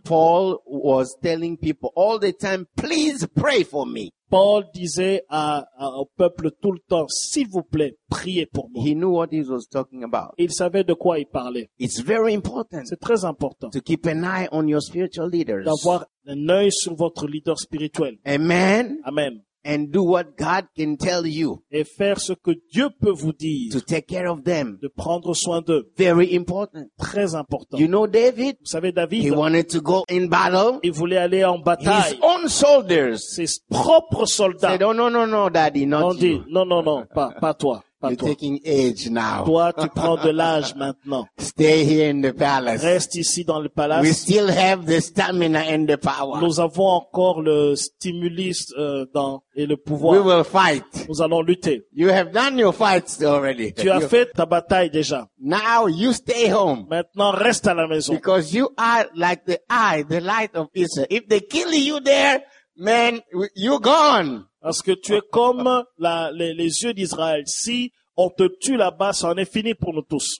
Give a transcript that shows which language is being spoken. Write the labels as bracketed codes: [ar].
[en] Paul was telling people all the time, please pray for me. [fr] Paul disait au peuple tout le temps, s'il vous plaît, priez pour moi. [en] He knew what he was talking about. [fr] Il savait de quoi il parlait. [en] It's very important. [fr] C'est très important. [en] To keep an eye on your spiritual leaders. [fr] D'avoir un œil sur votre leader spirituel. [en] Amen. [fr] Amen. [en] And do what God can tell you. [fr] Et faire ce que Dieu peut vous dire. [en] To take care of them. [fr] De prendre soin d'eux. [en] Very important. [fr] Très important. [en] You know David? [fr] Vous savez David? [en] He wanted to go in battle. [fr] Il voulait aller en bataille. [en] His own soldiers. [fr] Ses propres soldats. [en] Said, oh, no, no, no, daddy, not [fr] on dit, [en] you. [fr] Non, non, non, pas toi. Pas [en] You're [fr] toi. [en] Taking age now. [fr] Toi, tu prends de l'âge maintenant. [en] Stay here in the palace. [fr] Reste ici dans le palace. [en] We still have the stamina and the power. [fr] Nous avons encore le stimulus dans et le pouvoir. [en] We will fight. [fr] Nous allons lutter. [en] You have done your fights already. [fr] Tu as fait ta bataille déjà. [en] Now you stay home. [fr] Maintenant reste à la maison. [en] Because you are like the eye, the light of Israel. If they kill you there, man, you're gone. [fr] Parce que tu es comme les yeux d'Israël. Si on te tue là-bas, ça en est fini pour nous tous.